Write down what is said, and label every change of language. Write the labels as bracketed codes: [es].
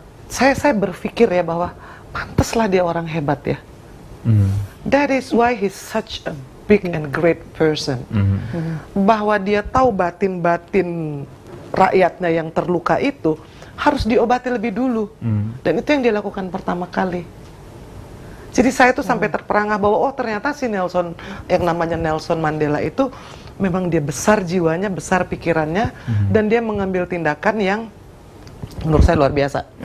[id] Saya berpikir ya bahwa pantaslah dia orang hebat ya. [en] That is why he's such a big and great person. [id] Bahwa dia tahu batin-batin rakyatnya yang terluka itu harus diobati lebih dulu. Dan itu yang dia lakukan pertama kali. Jadi saya tuh sampai terperangah bahwa oh ternyata si Nelson, yang namanya Nelson Mandela itu, memang dia besar jiwanya, besar pikirannya, dan dia mengambil tindakan yang menurut saya luar biasa.